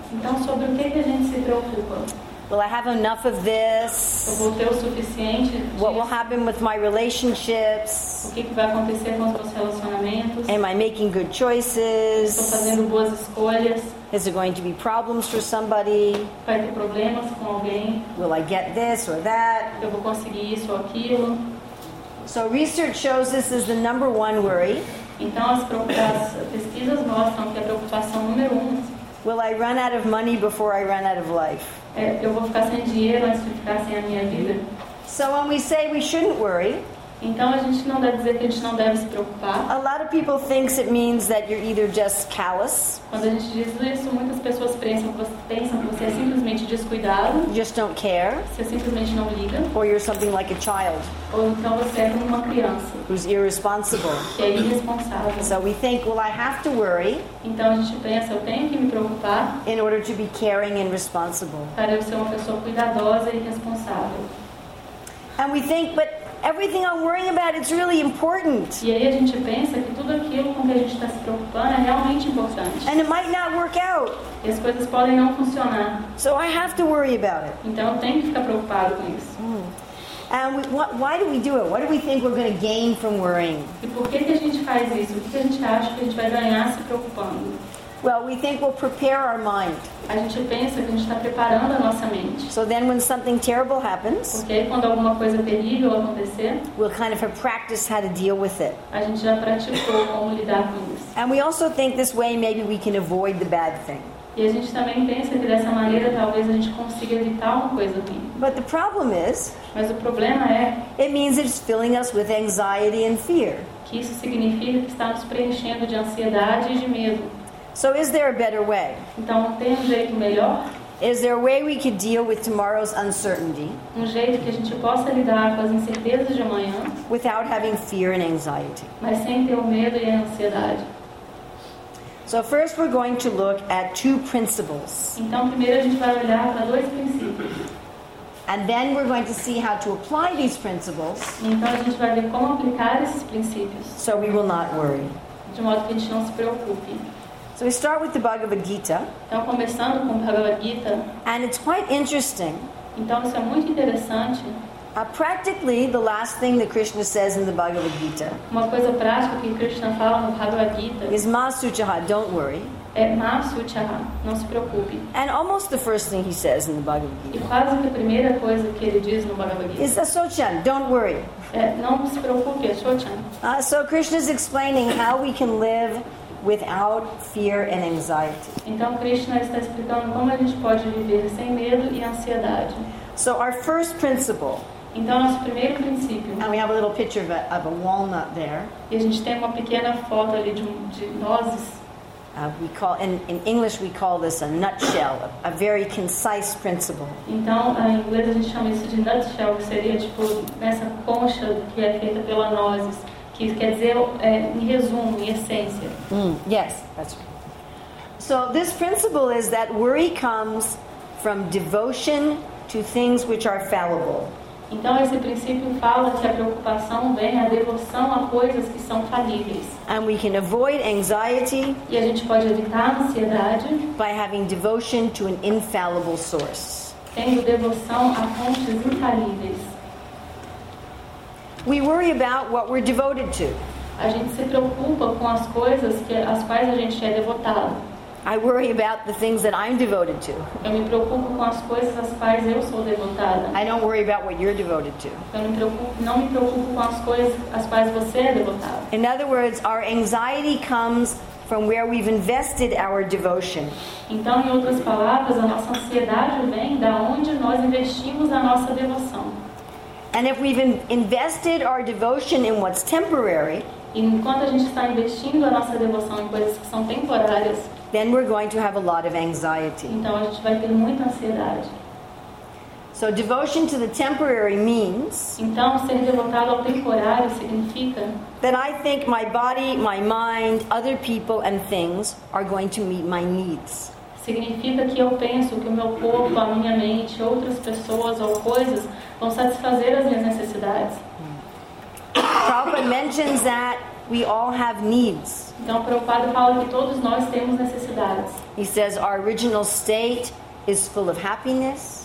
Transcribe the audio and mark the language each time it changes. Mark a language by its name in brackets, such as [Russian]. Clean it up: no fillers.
[Portuguese] Então, sobre o que que a gente se preocupa? [English] Will I have enough of this? [Portuguese] Eu vou ter o suficiente disso? [English] What will happen with my relationships? [Portuguese] O que vai acontecer com os meus relacionamentos? [English] Am I making good choices? [Portuguese] Estou fazendo boas escolhas? [English] Is there going to be problems for somebody? [Portuguese] Vai ter problemas com alguém? [English] Will I get this or that? [Portuguese] Eu vou conseguir isso ou aquilo? [English] So research shows this is the number one worry. [Portuguese] Então as pesquisas mostram que a preocupação número um. [English] Will I run out of money before I run out of life? [Portuguese] Eu vou ficar sem dinheiro antes de ficar sem a minha vida. [English] So when we say we shouldn't worry. [Portuguese] Então a gente não deve dizer que a gente não deve se preocupar. [English] A lot of people thinks it means that you're either just callous. [Portuguese] Quando a gente diz isso, muitas pessoas pensam que você é simplesmente descuidado. [English] You just don't care. [Portuguese] Você simplesmente não liga. [English] Or you're something like a child. [Portuguese] Ou então você é uma criança. [English] Who's irresponsible. [Portuguese] Que é irresponsável. [English] So we think, well, I have to worry. [Portuguese] Então a gente pensa, eu tenho que me preocupar. [English] In order to be caring and responsible. [Portuguese] Para eu ser uma pessoa cuidadosa e responsável. [English] And we think, but everything I'm worrying about, it's really important. [Portuguese] E aí a gente pensa que tudo aquilo com que a gente está se preocupando é realmente importante. [English] And it might not work out. [Portuguese] E as coisas podem não funcionar. [English] So I have to worry about it. [Portuguese] Então eu tenho que ficar preocupado com isso. [English] And why do we do it? What do we think we're going to gain from worrying? [Portuguese] E por que que a gente faz isso? O que que a gente acha que a gente vai ganhar se preocupando? [English] Well, we think we'll prepare our mind. [Portuguese] A gente pensa que a gente está preparando a nossa mente. [English] So then when something terrible happens, [Portuguese] okay, quando alguma coisa terrível acontecer, [English] we'll kind of have practiced how to deal with it. [Portuguese] A gente já praticou como lidar com isso. [English] And we also think this way maybe we can avoid the bad thing. [Portuguese] E a gente também pensa que dessa maneira talvez a gente consiga evitar uma coisa ruim. [English] But the problem is, [Portuguese] mas o problema é, [English] it means it's filling us with anxiety and fear. [Portuguese] Que isso significa que está nos preenchendo de ansiedade e de medo. [English] So is there a better way? [Portuguese] Então, tem jeito melhor? [English] Is there a way we could deal with tomorrow's uncertainty? [Portuguese] Jeito que a gente possa lidar com as incertezas de amanhã? [English] Without having fear and anxiety. [Portuguese] Mas sem ter o medo e a ansiedade. [English] So first we're going to look at two principles. [Portuguese] Então, primeiro a gente vai olhar para dois princípios. [English] And then we're going to see how to apply these principles. [Portuguese] Então, a gente vai ver como aplicar esses princípios. [English] So we will not worry. [Portuguese] De modo que a gente não se preocupe. [English] So we start with the Bhagavad Gita. [Portuguese] Então, começando com o Bhagavad Gita. [English] And it's quite interesting. [Portuguese] Então, isso é muito interessante. [English] Practically, the last thing that Krishna says in the Bhagavad Gita. [Portuguese] Uma coisa prática que Krishna fala no Bhagavad Gita. [English] Is Masuchaha, don't worry. [Portuguese] É Masuchaha, não se preocupe. [English] And almost the first thing he says in the Bhagavad Gita. [Portuguese] E quase que a primeira coisa que ele diz no Bhagavad Gita. [English] Is Asochan, don't worry. [Portuguese] É, não se preocupe, Asochan. [English] So Krishna is explaining how we can live without fear and anxiety. [Portuguese] Então Krishna está explicando como a gente pode viver sem medo e ansiedade. [English] So our first principle. [Portuguese] Então nosso primeiro princípio. [English] And we have a little picture of a walnut there. [Portuguese] E a gente tem uma pequena foto ali de nozes. [English] We call in English we call this a nutshell, a very concise principle. [Portuguese] Então em inglês a gente chama isso de nutshell, que seria tipo nessa concha que é feita pela nozes. Que quer dizer, em resumo, em essência. [English] Yes, that's right. So this principle is that worry comes from devotion to things which are fallible. [Portuguese] Então esse princípio fala que a preocupação vem a devoção a coisas que são falíveis. [English] And we can avoid anxiety. [Portuguese] E a gente pode evitar a ansiedade. [English] By having devotion to an infallible source. [Portuguese] Tendo devoção a fontes infalíveis. [English] We worry about what we're devoted to. [Portuguese] A gente se preocupa com as coisas que as quais a gente é devotado. [English] I worry about the things that I'm devoted to. [Portuguese] Eu me preocupo com as coisas às quais eu sou devotada. [English] I don't worry about what you're devoted to. [Portuguese] Não me preocupo com as coisas às quais você é devotada. [English] In other words, our anxiety comes from where we've invested our devotion. [Portuguese] Então, em outras palavras, a nossa ansiedade vem da onde nós investimos a nossa devoção. [English] And if we've invested our devotion in what's temporary, [Portuguese] enquanto a gente está investindo a nossa devoção em coisas que são temporárias, [English] then we're going to have a lot of anxiety. [Portuguese] Então, a gente vai ter muita ansiedade. [English] So devotion to the temporary means, [Portuguese] então, ser devotado ao temporário significa [English] that I think my body, my mind, other people and things are going to meet my needs. [Portuguese] Significa que eu penso que o meu corpo, a minha mente, outras pessoas ou coisas vão satisfazer as minhas necessidades. [English] Prabhupada mentions that we all have needs. [Portuguese] Então, Prabhupada fala que todos nós temos necessidades. [English] He says our original state is full of happiness.